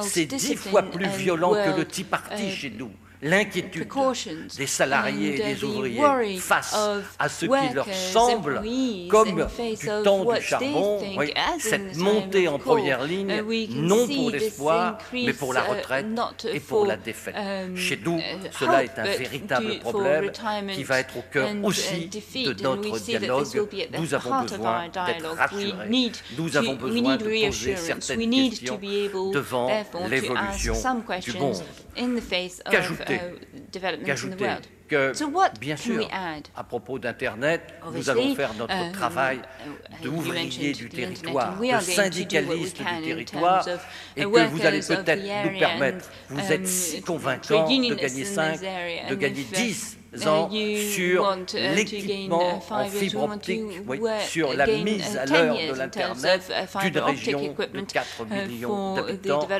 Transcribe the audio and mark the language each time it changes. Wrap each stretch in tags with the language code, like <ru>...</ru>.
<fr>C'est 10 fois plus violent que le Tea Party chez nous. L'inquiétude des salariés et des ouvriers face à ce qui leur semble comme du temps du charbon, oui, cette montée en première ligne, non pour l'espoir, mais pour la retraite et pour la défaite. Chez nous, cela est un véritable problème qui va être au cœur aussi de notre dialogue. Nous avons besoin d'être rassurés. Nous avons besoin de poser certaines questions devant l'évolution du monde.</fr> <en>In the face of developments in the world. So what</en> <fr>bien sûr,</fr> <en>can we add?</en> <fr>À propos d'Internet, nous allons faire notre travail d'ouvrier du territoire, de syndicaliste du territoire, et que vous allez peut-être nous permettre, vous êtes si convaincant de gagner 5, de gagner 10, sur l'équipement en fibre optique, oui, sur la mise à l'heure de l'Internet d'une région de 4 millions d'habitants.</fr>